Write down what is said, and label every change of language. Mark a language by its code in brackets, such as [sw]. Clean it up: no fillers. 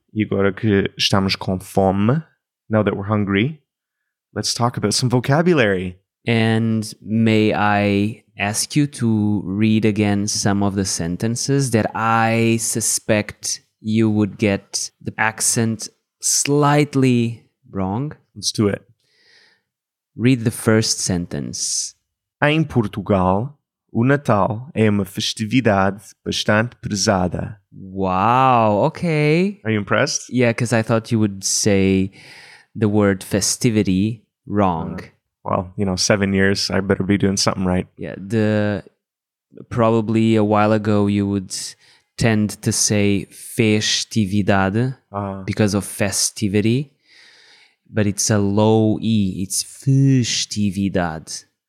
[pt] E agora que estamos com fome, [en] now that we're hungry, let's talk about some vocabulary. And may I ask you to read again some of the sentences that I suspect you would get the accent slightly wrong? Let's do it. Read the first sentence. [pt] Em Portugal, o Natal é uma festividade bastante prezada. [en] Wow, okay. Are you impressed? Yeah, because I thought you would say the word festivity wrong. Well, 7 years, I better be doing something right. Yeah, the probably a while ago you would tend to say festividade because of festivity, but it's a low E, it's festividade.